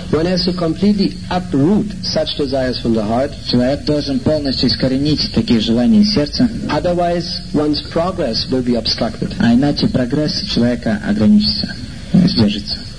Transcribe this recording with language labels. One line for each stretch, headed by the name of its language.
English: One has to completely uproot such desires from the heart.
Russian: Человек должен полностью искоренить такие желания из сердца.
English: Otherwise, one's progress will be obstructed.
Russian: А иначе прогресс человека ограничится, сдержится.